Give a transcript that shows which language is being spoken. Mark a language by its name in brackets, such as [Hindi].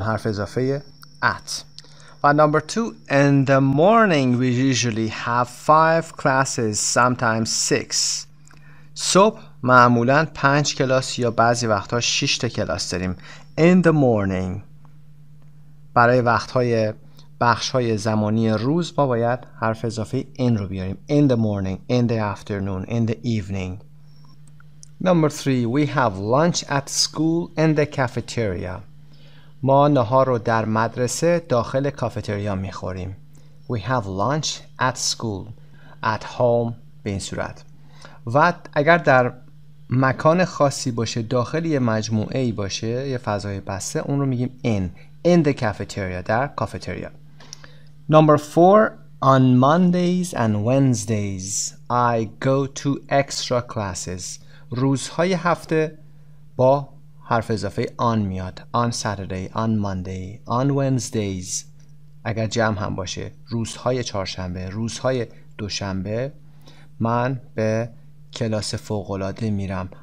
[Persian] حرف اضافه [English] at. و number two, in the morning we usually have 5 classes, sometimes 6. [Persian] صبح معمولاً 5 کلاس یا بعضی وقتها 6 تا کلاس داریم. [English] In the morning [Persian] برای وقت‌های بخش‌های زمانی روز ما باید حرف اضافه in رو بیاریم. [English] In the morning, in the afternoon, in the evening. Number 3, we have lunch at school in the cafeteria. [Persian] ما نهار رو در مدرسه داخل کافتریا می‌خوریم. [English] We have lunch at school. At home [Persian] به این صورت. و اگر در مکان خاصی باشه داخل یه مجموعه ای باشه یه فضای بسته اون رو میگیم [English] in the cafeteria [Persian] در کافتریا. [English] Number 4 on Mondays and Wednesdays I go to extra classes. [Persian] روزهای هفته با حرف اضافه on میاد. [English] On Saturday, on Monday, on Wednesdays [Persian] اگر جمع هم باشه روزهای چهارشنبه، روزهای دوشنبه من به کلاس فوق‌العاده میرم.